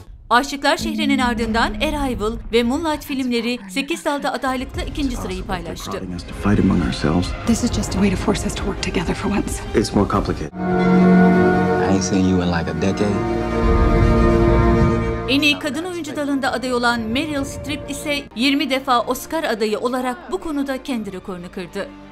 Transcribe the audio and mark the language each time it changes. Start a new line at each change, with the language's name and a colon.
Turkish: Aşıklar Şehri'nin ardından Arrival ve Moonlight filmleri 8 dalda adaylıkla ikinci sırayı paylaştı.
English: This is just a way to force us to work together for once. It's more complicated. I ain't seen you in like a decade.
Turkish: En iyi kadın oyuncu dalında aday olan Meryl Streep ise 20 defa Oscar adayı olarak bu konuda kendi rekorunu kırdı.